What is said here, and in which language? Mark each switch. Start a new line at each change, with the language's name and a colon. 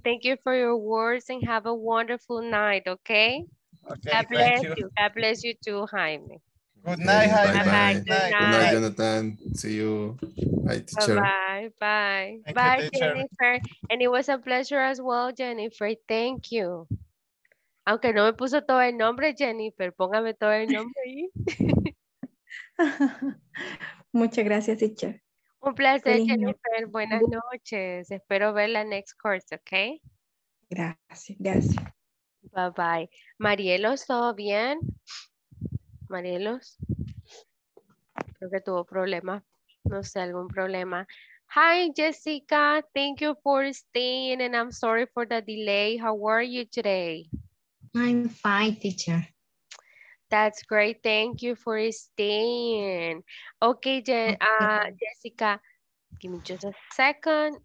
English: Thank you for your words and have a wonderful night, okay? Okay, God bless you. God bless you too, Jaime. Good night, Jaime. Bye-bye. Good night, Jonathan. See you. Bye, teacher. Bye-bye. Bye. Thank you, Jennifer. And it was a pleasure as well, Jennifer. Thank you.
Spanish: Aunque no me puso todo el nombre, Jennifer. Póngame todo el nombre ahí. Muchas gracias, teacher. Un placer, Feliz Jennifer. Bien. Buenas noches. Espero verla
English: next course, okay?
Spanish: Gracias. Bye-bye. Marielo, ¿todo bien? Marielos, creo que tuvo problemas, no sé, algún problema.
English: Hi, Jessica, thank you for staying and I'm sorry for the delay. How are you today? I'm fine, teacher. That's great. Thank you for staying. Okay, Jessica, give me just a second.